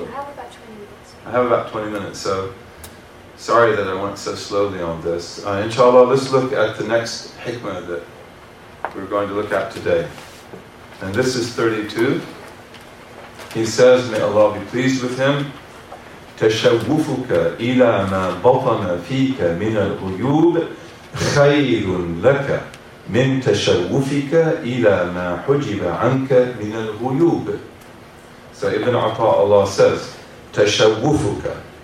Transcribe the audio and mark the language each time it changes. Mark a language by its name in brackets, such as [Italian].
[English] You have about 20 minutes. I have about 20 minutes, so sorry that I went so slowly on this. Inshallah, let's look at the next hikmah that we're going to look at today. And this is 32. He says, may Allah be pleased with him. [Arabic] تشوفك إلى ما بطن فيك من الغيوب خير لك من تشوفك إلى ما حجب عنك من الغيوب. [English] So Ibn Atta Allah says, تشوفك.